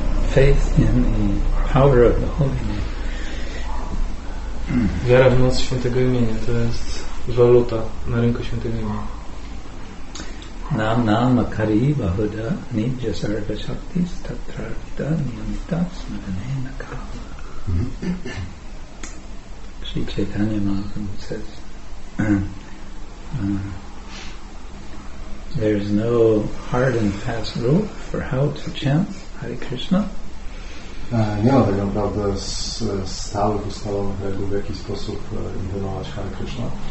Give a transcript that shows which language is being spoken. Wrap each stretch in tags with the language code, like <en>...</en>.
<en>Faith in the power of the Holy Name.</en> <pl>Wiara w moc świętego imienia to jest waluta na rynku świętego imienia.</pl> <sa>Nam nam akari bahuda nidja sarva shakti tatra vita niyamita smrane nakala.</sa> <en>Sri Chaitanya Mahaprabhu says there is no hard and fast rule for how to chant Hare Krishna.</en> <pl>Nie ma tak naprawdę stałych ustalonych reguł, w jaki sposób intonować Hare Krishna.</pl>